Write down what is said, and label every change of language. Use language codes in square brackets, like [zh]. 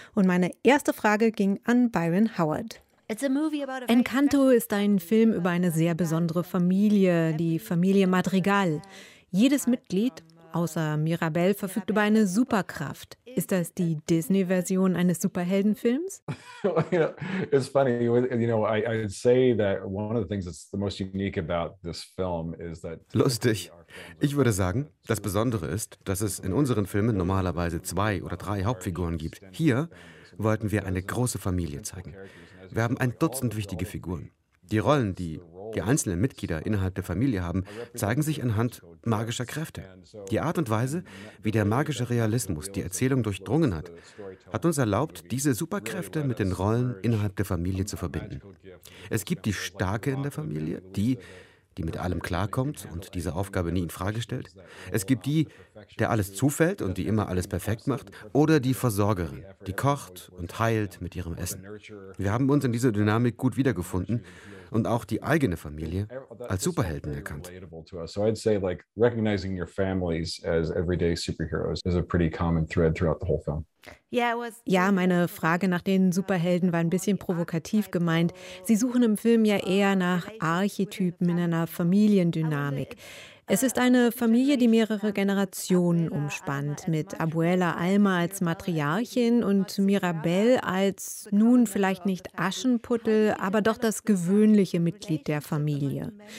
[de] Und meine erste Frage ging an Byron Howard. Encanto ist ein Film über eine sehr besondere Familie, die Familie Madrigal. Jedes Mitglied, außer Mirabel, verfügt über eine Superkraft. Ist das die Disney-Version eines Superheldenfilms? [en] It's funny, you know, I'd say that one of the things that's the most unique about this film is that. [de] Lustig. Ich würde sagen, das Besondere ist, dass es in unseren Filmen normalerweise zwei oder drei Hauptfiguren gibt. Hier wollten wir eine große Familie zeigen. Wir haben ein Dutzend wichtige Figuren. Die Rollen, die die einzelnen Mitglieder innerhalb der Familie haben, zeigen sich anhand magischer Kräfte. Die Art und Weise, wie der magische Realismus die Erzählung durchdrungen hat, hat uns erlaubt, diese Superkräfte mit den Rollen innerhalb der Familie zu verbinden. Es gibt die Starke in der Familie, die mit allem klarkommt und diese Aufgabe nie in Frage stellt. Es gibt die, der alles zufällt und die immer alles perfekt macht, oder die Versorgerin, die kocht und heilt mit ihrem Essen. Wir haben uns in dieser Dynamik gut wiedergefunden und auch die eigene Familie als Superhelden erkannt. [en] So I'd say like recognizing your families as everyday superheroes is a pretty common thread throughout the whole film. [de] Ja, meine Frage nach den Superhelden war ein bisschen provokativ gemeint. Sie suchen im Film ja eher nach Archetypen in einer Familiendynamik. Es ist eine Familie, die mehrere Generationen umspannt, mit Abuela Alma als Matriarchin und Mirabel als nun vielleicht nicht Aschenputtel, aber doch das gewöhnliche Mitglied der Familie.